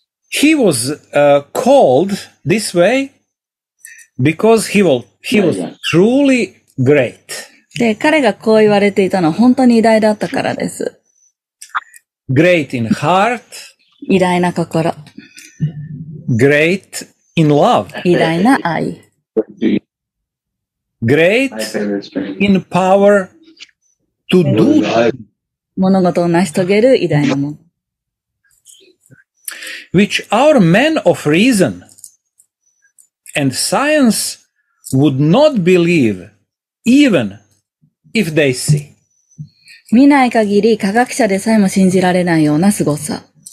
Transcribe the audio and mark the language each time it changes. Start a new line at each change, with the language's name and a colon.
English: He was called this way because he was truly great.
Japanese: で、彼がこう言われていたのは本当に偉大だったからです。
English: Great in heart.
Japanese: 偉大な心。
English: Great in love.
Japanese: 偉大な愛。
English: Great in power to do.
Japanese: 物事を成し遂げる偉大なもの。
English: Which our men of reason and science would not believe even if they see.
Japanese: 見ない限り科学者でさえも信じられないような凄さ。